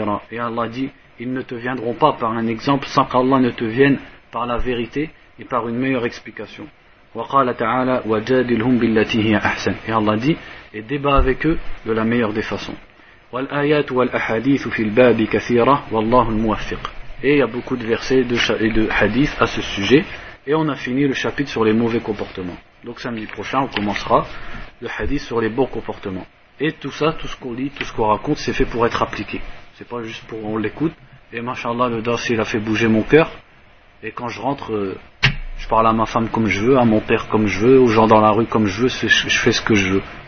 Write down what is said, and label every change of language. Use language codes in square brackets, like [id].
[fr] Et Allah dit, ils ne te viendront pas par un exemple sans qu'Allah ne te vienne par la vérité et par une meilleure explication. [ar] وقال تعالى وجادلهم بالتي هي احسن. [fr] Et Allah dit, et débat avec eux de la meilleure des façons. [ar] والآيات والأحاديث في الباب كثيرة والله الموفق. [fr] Et il y a beaucoup de versets et de hadiths à ce sujet. Et on a fini le chapitre sur les mauvais comportements. Donc samedi prochain, on commencera le hadith sur les bons comportements. Et tout ça, tout ce qu'on lit, tout ce qu'on raconte, c'est fait pour être appliqué. C'est pas juste pour on l'écoute. Et mashallah, le dars il a fait bouger mon cœur. Et quand je rentre, je parle à ma femme comme je veux, à mon père comme je veux, aux gens dans la rue comme je veux, je fais ce que je veux.